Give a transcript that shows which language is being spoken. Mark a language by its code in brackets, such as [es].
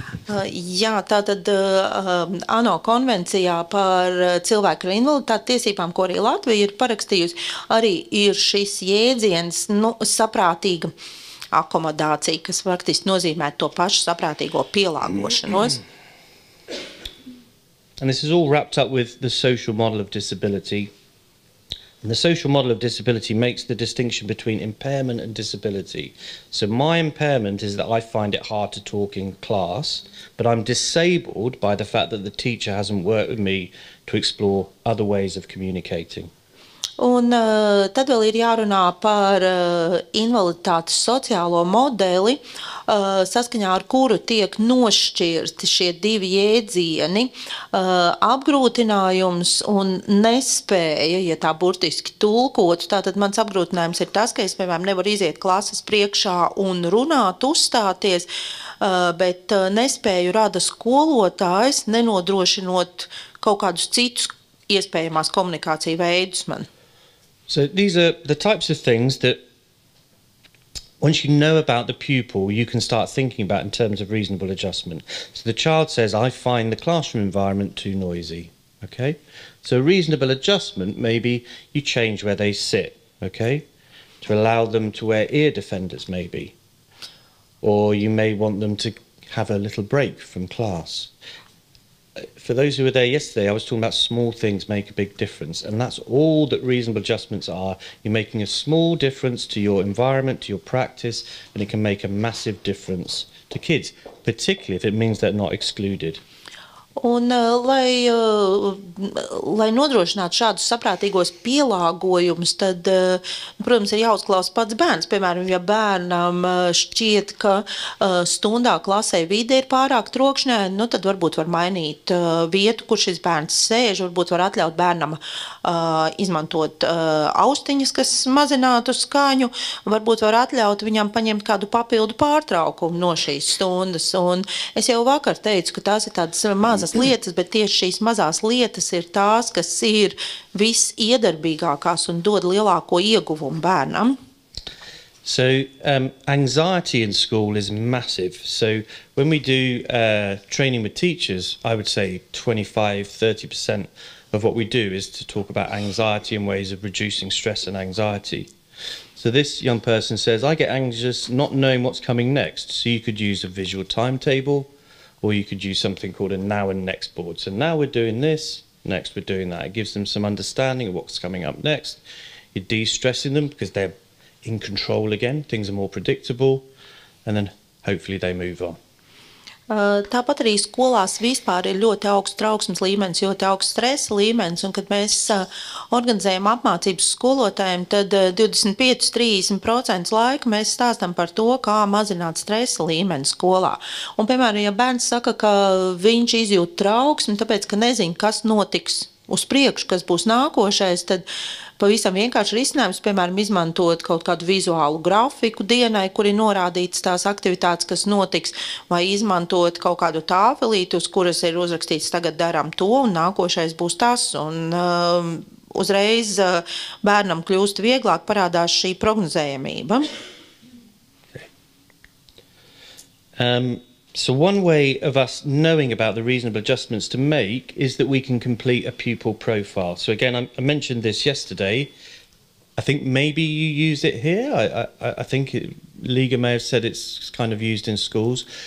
[lv] Jā, tātad ANO konvencijā par cilvēku ar invaliditāti tiesībām, ko arī Latvija ir parakstījusi, arī ir šis jēdziens, nu, saprātīga akomodācija, kas faktiski nozīmē to pašu saprātīgo pielāgošanos. [en] And this is all wrapped up with the social model of disability. And the social model of disability makes the distinction between impairment and disability. So my impairment is that I find it hard to talk in class, but I'm disabled by the fact that the teacher hasn't worked with me to explore other ways of communicating. [lv] Un tad vēl ir jārunā par invaliditātes sociālo modeli, saskaņā ar kuru tiek nošķirti šie divi jēdzieni, apgrūtinājums un nespēja, ja tā burtiski tulkotu. Tātad mans apgrūtinājums ir tas, ka es, piemēram, nevaru iziet klases priekšā un runāt, uzstāties, bet nespēju rada skolotājs, nenodrošinot kaut kādus citus iespējamās komunikāciju veidus man. [en] So these are the types of things that once you know about the pupil, you can start thinking about in terms of reasonable adjustment. So the child says, I find the classroom environment too noisy. Okay? So a reasonable adjustment, maybe you change where they sit, okay? To allow them to wear ear defenders, maybe. Or you may want them to have a little break from class. For those who were there yesterday, I was talking about small things make a big difference, and that's all that reasonable adjustments are. You're making a small difference to your environment, to your practice, and it can make a massive difference to kids, particularly if it means they're not excluded. [lv] Un lai nodrošinātu šādus saprātīgos pielāgojumus, tad, protams, ir jāuzklausa pats bērns. Piemēram, ja bērnam šķiet, ka stundā klasē vide ir pārāk trokšņa, nu, tad varbūt var mainīt vietu, kur šis bērns sēž, varbūt var atļaut bērnam izmantot austiņas, kas mazinātu skaņu, varbūt var atļaut viņam paņemt kādu papildu pārtraukumu no šīs stundas. Un es jau vakar teicu, ka tās ir tādas mazas lietas, bet tieši šīs mazās lietas ir tās, kas ir visiedarbīgākās un dod lielāko ieguvumu bērnam. [en] So, anxiety in school is massive. So, when we do training with teachers, I would say 25-30% of what we do is to talk about anxiety and ways of reducing stress and anxiety. So this young person says, I get anxious not knowing what's coming next. So you could use a visual timetable, or you could use something called a now and next board. So now we're doing this, next we're doing that. It gives them some understanding of what's coming up next. You're de-stressing them because they're in control again. Things are more predictable. And then hopefully they move on. [lv] Tāpat arī skolās vispār ir ļoti augsts trauksmes līmenis, ļoti augsts stresa līmenis, un kad mēs organizējam apmācības skolotājiem, tad 25-30% laika mēs stāstam par to, kā mazināt stresa līmeni skolā. Un, piemēram, ja bērns saka, ka viņš izjūt trauksmi, tāpēc, ka nezin, kas notiks uz priekšu, kas būs nākošais, tad pavisam vienkārši risinājums, piemēram, izmantot kaut kādu vizuālu grafiku dienai, kur ir norādītas tās aktivitātes, kas notiks, vai izmantot kaut kādu tāfelītu, uz kuras ir uzrakstīts tagad darām to, un nākošais būs tas. Un uzreiz bērnam kļūst vieglāk, parādās šī prognozējamība. [en] So one way of us knowing about the reasonable adjustments to make is that we can complete a pupil profile. So again, I mentioned this yesterday. I think maybe you use it here. I think Liga may have said it's kind of used in schools.